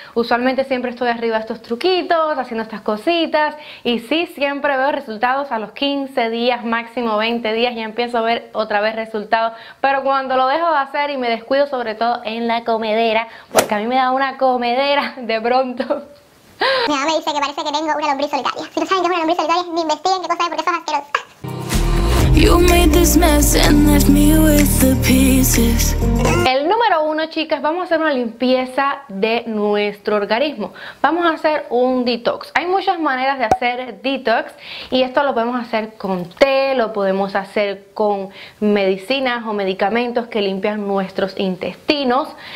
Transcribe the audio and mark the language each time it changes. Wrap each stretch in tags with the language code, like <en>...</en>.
<es>Usualmente siempre estoy arriba de estos truquitos, haciendo estas cositas, y sí, siempre veo resultados a los 15 días, máximo 20 días, ya empiezo a ver otra vez resultados. Pero cuando lo dejo de hacer y me descuido, sobre todo en la comedera, porque a mí me da una comedera de pronto. Mi mamá me dice que parece que tengo una lombriz solitaria. Si no saben qué es una lombriz solitaria, ni investiguen qué cosa es porque son asquerosas.</es> <en>You made this mess and left me with the pieces.</en> <es>El número uno, chicas, vamos a hacer una limpieza de nuestro organismo. Vamos a hacer un detox. Hay muchas maneras de hacer detox, y esto lo podemos hacer con té, lo podemos hacer con medicinas o medicamentos que limpian nuestros intestinos.</es>